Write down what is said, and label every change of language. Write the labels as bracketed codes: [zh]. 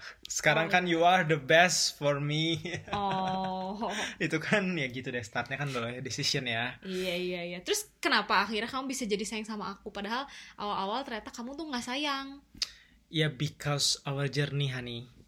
[id] Sekarang kan [en] you are the best for me. Oh. [id] Itu kan ya gitu deh, startnya kan loh decision ya. Iya. Terus kenapa akhirnya kamu bisa jadi sayang sama aku padahal awal-awal ternyata kamu tuh nggak sayang? [en] Ya because our journey, honey.